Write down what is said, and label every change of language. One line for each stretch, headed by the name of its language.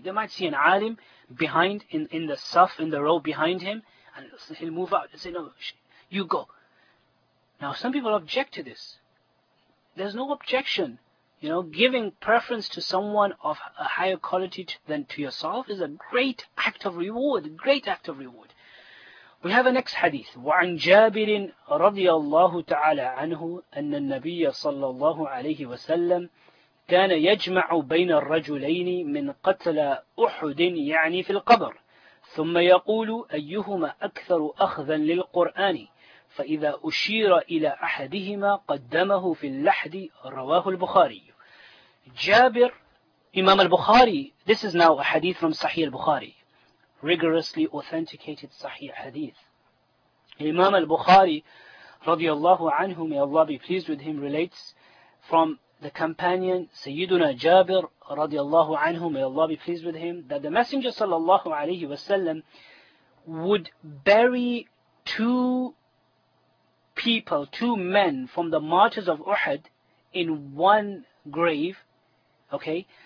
English: They might see an alim behind, in the saf, in the row behind him, and he'll move out and say, no, you go. Now some people object to this. There's no objection You know, giving preference to someone of a higher quality than to yourself is a great act of reward, a great act of reward. We have a next hadith.
Arabic: وَعَنْ جَابِرٍ رَضِيَ اللَّهُ تَعَالَى عَنْهُ أَنَّ النَّبِيَّ صَلَّى اللَّهُ عَلَيْهِ وَسَلَّمْ كَانَ يَجْمَعُ بَيْنَ الرَّجُلَيْنِ مِنْ قَتْلَ أُحُدٍ يعني في القبر ثُمَّ يَقُولُ أَيُّهُمَا أَكْثَرُ أَخْذًا لِلْقُرْآنِ فإذا أشير إلى أحدهما قدمه في اللحد رواه البخاري.
English: جابر, Imam al-Bukhari, this is now a hadith from Sahih al-Bukhari, rigorously authenticated Sahih hadith. Imam al-Bukhari, radiallahu anhu, may Allah be pleased with him, relates from the companion Sayyiduna Jabir, radiallahu anhu, may Allah be pleased with him, that the Messenger, sallallahu alayhi wa sallam, would bury two men from the martyrs of Uhud in one grave, okay?